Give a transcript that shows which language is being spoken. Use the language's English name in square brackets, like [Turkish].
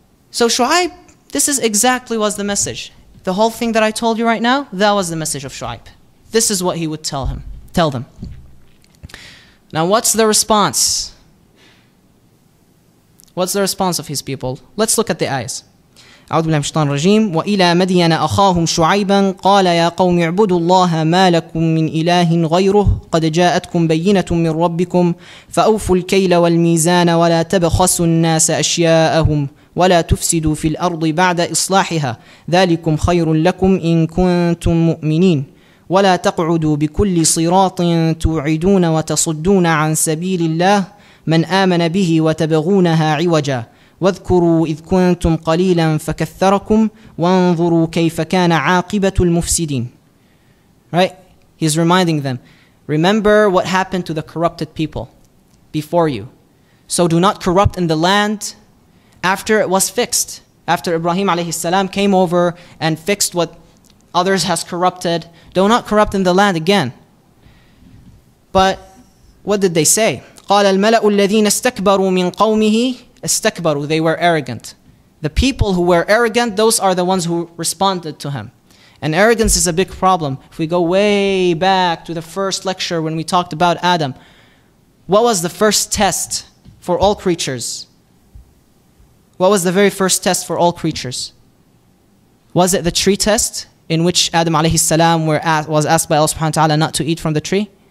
[English] So Shu'aib, this is exactly was the message. The whole thing that I told you right now, that was the message of Shu'aib. This is what he would tell them. Now what's the response? What's the response of his people? Let's look at the ayahs. [Arabic] أعوذ بالله من الشيطان الرجيم وإلى مدين أخاهم شعيبا قال يا قوم اعبدوا الله ما لكم من إله غيره قد جاءتكم بينة من ربكم فأوفوا الكيل والميزان ولا تبخسوا الناس أشياءهم ولا تفسدوا في الأرض بعد إصلاحها ذلكم خير لكم إن كنتم مؤمنين ولا تقعدوا بكل صراط توعدون وتصدون عن سبيل الله من آمن به وتبغونها عوجا واذكروا إذ كنتم قليلا فكثركم وانظروا كيف كان عاقبة المفسدين. [English] Right? He's reminding them. Remember what happened to the corrupted people before you. So do not corrupt in the land after it was fixed. After Ibrahim alayhi salam came over and fixed what others has corrupted. Do not corrupt in the land again. But what did they say? [Arabic] قال الملأ الذين استكبروا من قومه استكبروا, [English] they were arrogant. The people who were arrogant, those are the ones who responded to him. And arrogance is a big problem. If we go way back to the first lecture when we talked about Adam, what was the first test for all creatures? What was the very first test for all creatures? Was it the tree test in which Adam alayhi salam was asked by Allah subhanahu wa ta'ala not to eat from the tree?